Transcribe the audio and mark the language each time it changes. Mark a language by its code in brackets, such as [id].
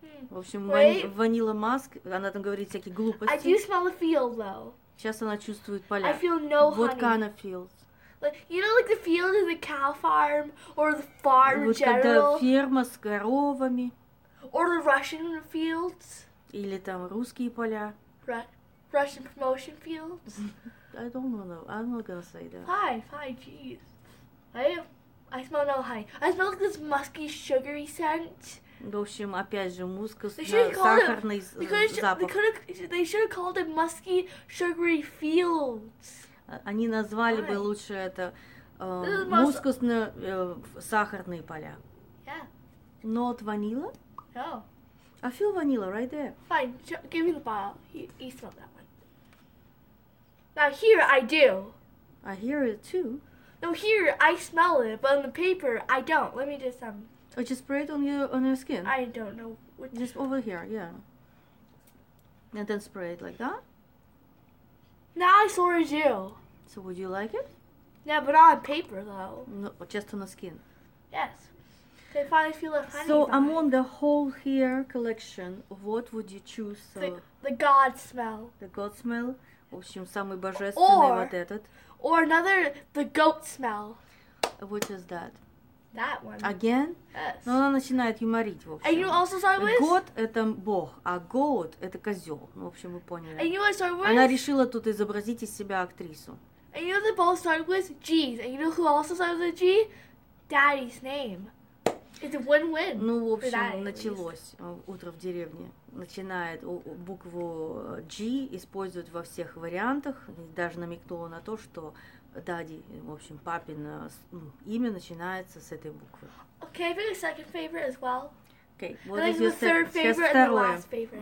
[ru] В общем, ванила маск, она там говорит всякие глупости. [en] I do smell a field, though. [ru] Сейчас она чувствует поля. [en] I feel no what honey. What kind of fields? Like, you know, like the field in the cow farm or the farm [ru] вот [en] in general? [ru] Когда ферма с коровами. [en] Or the Russian fields? [ru] Или там русские поля. [en] Russian promotion fields? I don't want to. I'm not gonna say that. Fine, jeez. I smell no honey. I smell like this musky, sugary scent. [ru] В общем, опять же, муск с сахарный запах. [en] They should have called it musky, sugary fields. [ru] Они назвали бы лучше это мускусно-сахарные поля. [en] Yeah. Not vanilla? No. I feel vanilla right there. Fine, give me the bottle. He smelled that. Now here I do. I hear it too. No, here I smell it, but on the paper I don't. Let me just Oh, just spray it on your skin. I don't know. Which just over here, yeah. And then spray it like that. Now I sort of do. So would you like it? Yeah, but not on paper though. No, just on the skin. Yes. They finally feel a honey. So among the whole hair collection, what would you choose? So the God smell. The God smell. [ru] В общем, самый божественный [en] or, [ru] вот этот. [en] Or another, the goat smell. Which is that? That one. Again? Yes. [ru] Но она начинает юморить, в общем. [en] And you know also start with? [ru] Goat – это бог, а goat – это козёл. В общем, вы поняли. [en] And you know start with? [ru] Она решила тут изобразить из себя актрису. [en] And you know they both start with G's. And you know who also starts with a G? Daddy's name. It's a win-win. [ru] Ну, в общем, началось утро в деревне. Начинает букву G использовать во всех вариантах. И даже намекнула на то, что Daddy, в общем, папин имя начинается с этой буквы. [en] Okay, I think the second favorite as well. Okay, what is your third favorite and the last favorite?